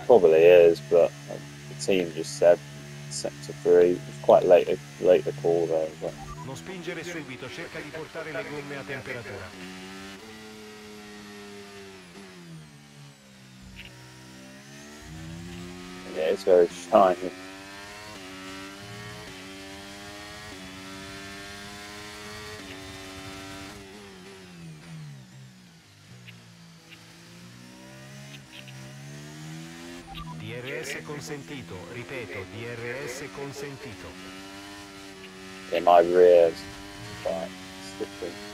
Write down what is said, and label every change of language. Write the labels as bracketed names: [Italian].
[English] Probably is, but the team just said sector 3. It's quite late call there, but. [Italian] Non spingere subito, cerca di portare le gomme a temperatura. [English] Yeah, it's very shiny. [Italian] Consentito, ripeto, DRS consentito. [English] In my rear, fine, slipping.